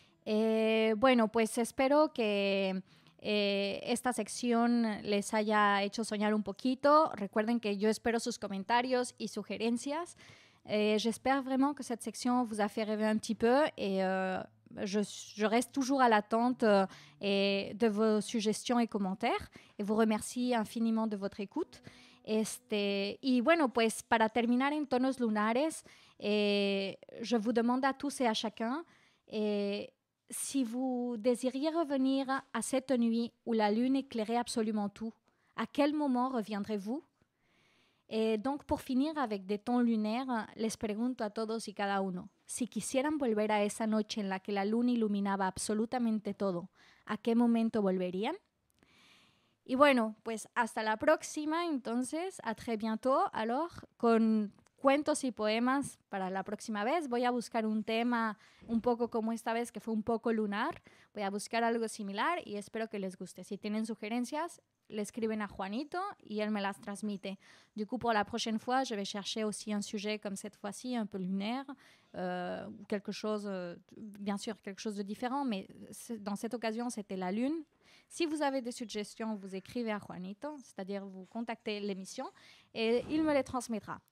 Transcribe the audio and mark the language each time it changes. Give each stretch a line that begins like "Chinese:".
Spanish: Bueno, pues espero que esta sección les haya hecho soñar un poquito. Recuerden que yo espero sus comentarios y sugerencias.
French: J'espère vraiment que cette section vous a fait rêver un petit peu. Je reste toujours à l'attente de vos suggestions et commentaires. Et vous remercie infiniment de votre écoute.
Spanish: Y bueno, pues para terminar en tonos lunares,
French: je vous demande à tous et à chacun, si vous désiriez revenir à cette nuit où la lune éclairait absolument tout, à quel moment reviendrez-vous? Et donc pour finir avec des tons lunaires,
Spanish: les pregunto a todos y cada uno, si quisieran volver a esa noche en la que la luna iluminaba absolutamente todo, ¿a qué momento volverían? Y bueno, pues hasta la próxima, entonces,
French: a très bientôt, alors,
Spanish: con cuentos y poemas para la próxima vez. Voy a buscar un tema un poco como esta vez, que fue un poco lunar. Voy a buscar algo similar y espero que les guste. Si tienen sugerencias, le escriben a Juanito y él me las transmite.
French: Du coup, pour la prochaine fois, je vais chercher aussi un sujet comme cette fois-ci, un peu lunaire, quelque chose, bien sûr, quelque chose de différent, mais dans cette occasion, c'était la lune. Si vous avez des suggestions, vous écrivez à Juanito, c'est-à-dire vous contactez l'émission et il me les transmettra.